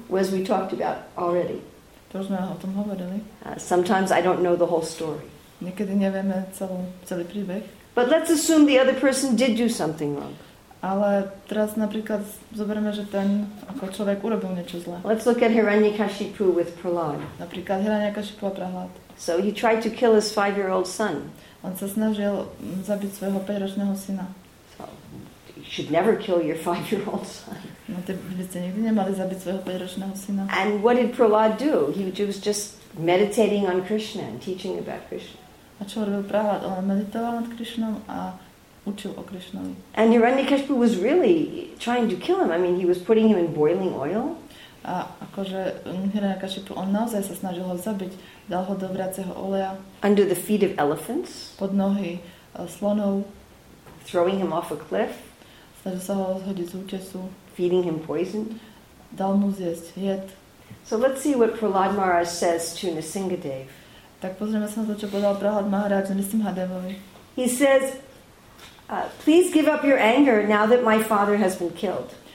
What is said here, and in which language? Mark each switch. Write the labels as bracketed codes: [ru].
[en] As we talked about already. [sk] To už sme o tom hovorili. [en] Sometimes I don't know the whole story. [sk] Niekedy nevieme celý príbeh. [en] But let's assume the other person did do something wrong. [sk] Ale teraz napríklad zoberieme, že ten ako človek urobil niečo zlé. [en] Let's look at Hiranyakashipu with Prahlad. [sk] Napríklad Hiranyakashipu a Prahlad. [en] So he tried to kill his 5-year-old son. [sk] On sa snažil zabiť svojho 5-ročného syna. [en] So you should never kill your 5-year-old son. [sk] No to by ste nikdy nemali zabiť svojho 5-ročného syna. [en] And what did Prahlad do? He was just meditating on Krishna and teaching about Krishna. [sk] A čo robil Prahlad? On meditoval nad Krišnom a učil o Krišnovi. [en] And Hiranyakashipu was really trying to kill him. I mean, he was putting him in boiling oil. [sk] A akože Hiranyakashipu, on naozaj sa snažil ho zabiť. Dal ho do vriaceho oleja. [en] Under the feet of elephants. [sk] Pod nohy slonov. [en] Throwing him off a cliff. [sk] Snažil sa ho zhodiť z útesu. [en] Feeding him poison. [sk] Dal mu zjesť jed. [en] So let's see what Prahlad Maharaj says to Nrisimhadev. [sk] Tak pozrieme sa na to, čo povedal Prahlad Maharaj Nrisimhadevovi. [en] He says, please give up your anger now that my father has been killed.